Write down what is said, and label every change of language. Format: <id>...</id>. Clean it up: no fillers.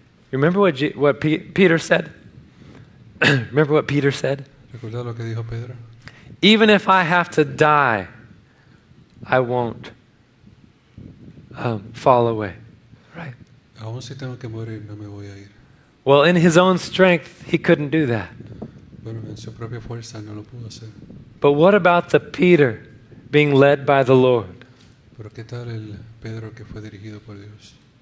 <en>Remember what Peter said? Remember what Peter said?</en> <es>¿Recuerda lo que dijo Pedro?</es> <en>Even if I have to die, I won't fall away. Right?</en> <es>Aún si tengo que morir, no me voy a ir.</es> <en>Well, in his own strength, he couldn't do that.</en> <es>Bueno, en su propia fuerza, no lo pudo hacer.</es> <en>But what about the Peter being led by the Lord?</en> <es>¿Pero qué tal el Pedro que fue dirigido por Dios?</es>